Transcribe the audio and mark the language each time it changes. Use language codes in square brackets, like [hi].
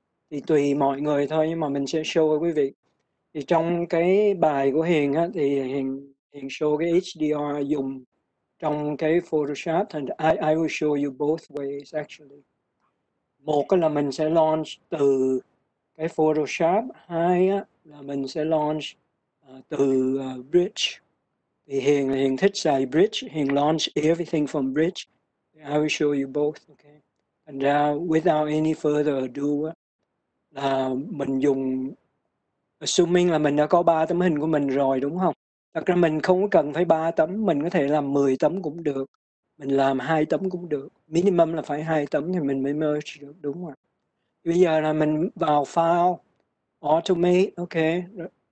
[vi] Thì tùy mọi người thôi, nhưng mà mình sẽ show quý vị. Thì trong cái bài của Hiền á, thì Hiền show cái HDR dùng trong cái Photoshop, [en] and I will show you both ways actually. [vi] Một là mình sẽ launch từ cái Photoshop, hai á là mình sẽ launch từ Bridge. Thì Hiền thích xài Bridge, Hiền [en] launch everything from Bridge. I will show you both, okay? And without any further ado, [vi] là mình dùng, assuming là mình đã có 3 tấm hình của mình rồi đúng không? Thật ra mình không cần phải 3 tấm, mình có thể làm 10 tấm cũng được. Mình làm 2 tấm cũng được. Minimum là phải 2 tấm thì mình mới merge được đúng không? Bây giờ là mình vào file automate, ok. Rồi.